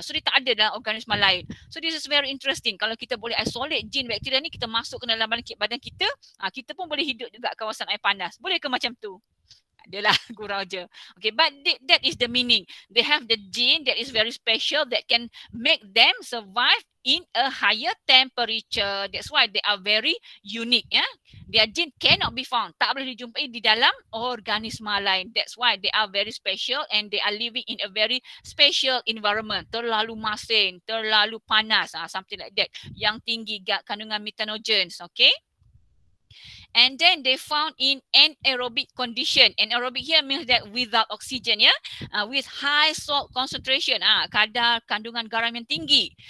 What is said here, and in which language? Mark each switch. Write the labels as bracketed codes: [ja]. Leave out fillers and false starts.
[ms] So dia tak ada dalam organisma lain. [en] So this is very interesting. [ms] Kalau kita boleh isolate gene bacteria ni, kita masuk ke dalam badan kita, kita pun boleh hidup juga kawasan air panas. Boleh ke macam tu? Adalah gurau je. [en] Okay, but that is the meaning. They have the gene that is very special that can make them survive in a higher temperature. That's why they are very unique. Yeah? Their gene cannot be found. [ms] Tak boleh dijumpai di dalam organisma lain. [en] That's why they are very special and they are living in a very special environment. [ms] Terlalu masin, terlalu panas, [en] something like that. [ms] Yang tinggi kandungan methanogens. Okay. [en] And then they found in anaerobic condition. Anaerobic here means that without oxygen, yeah, with high salt concentration, [ms] kadar kandungan garam yang tinggi.